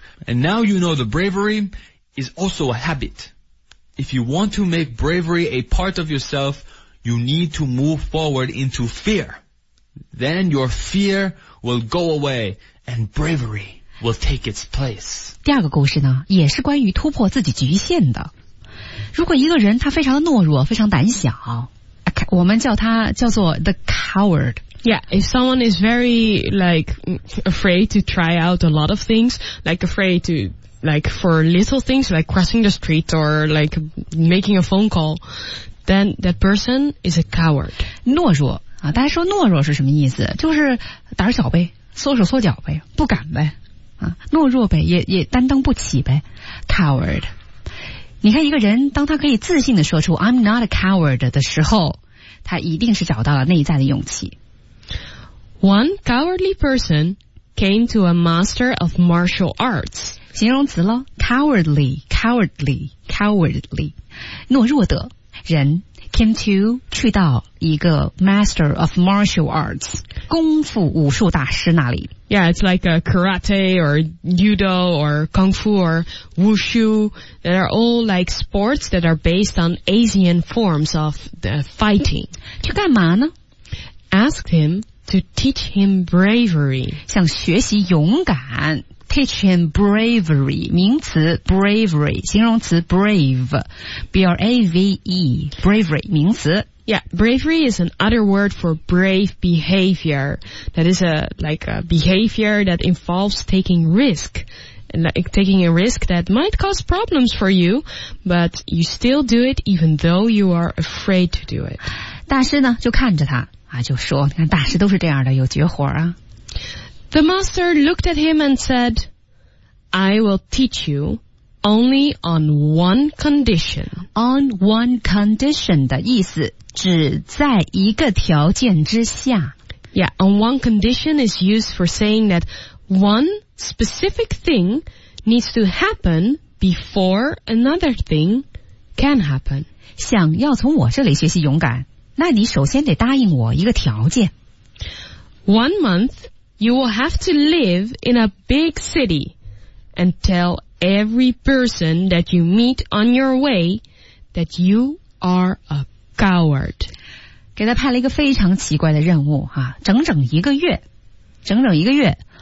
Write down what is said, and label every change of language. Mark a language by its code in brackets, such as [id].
[en] And now you know the bravery is also a habit. If you want to make bravery a part of yourself, you need to move forward into fear. Then your fear will go away and bravery will take its place. [zh] 第二个故事呢，也是关于突破自己局限的。如果一个人他非常的懦弱，非常胆小，我们叫他叫做 [en] the coward. Yeah, if someone is very like afraid to try out a lot of things, like afraid to like for little things like crossing the street or like making a phone call, then that person is a coward. [zh] 懦弱啊，大家说懦弱是什么意思？就是胆小呗，缩手缩脚呗，不敢呗，啊，懦弱呗，也担当不起呗 ，coward。你看一个人，当他可以自信的说出 [en] "I'm not a coward" [zh] 的时候，他一定是找到了内在的勇气。 [en] One cowardly person came to a master of martial arts. [zh] 形容词咯 ， [en] cowardly, cowardly, cowardly, [zh] 懦弱的人 [en] came to [zh] 去到一个 [en] master of martial arts [zh] 功夫武术大师那里。 [en] Yeah, it's like a karate or judo or kung fu or wushu. They are all like sports that are based on Asian forms of the fighting. [zh] 去干嘛呢 [en] ？Asked him. To teach him bravery. [zh] 想学习勇敢 [en] teach him bravery. [zh] 名词 bravery, 形容词 brave, B-R-A-V-E, bravery, 名词。 [en] Yeah, bravery is an other word for brave behavior. That is a, like a behavior that involves taking risk. And like taking a risk that might cause problems for you, but you still do it even though you are afraid to do it. [zh] 大师呢就看着他。就说你看大师都是这样的有绝活啊。 [en] The master looked at him and said, I will teach you only on one condition. On one condition [zh] 的意思只在一个条件之下。 [en] Yeah, on one condition is used for saying that one specific thing needs to happen before another thing can happen. [zh] 想要从我这里学习勇敢。那你首先得答应我一个条件。 [en] One month, you will have to live in a big city and tell every person that you meet on your way that you are a coward. [zh] 给他派了一个非常奇怪的任务啊，整整一个月，整整一个月。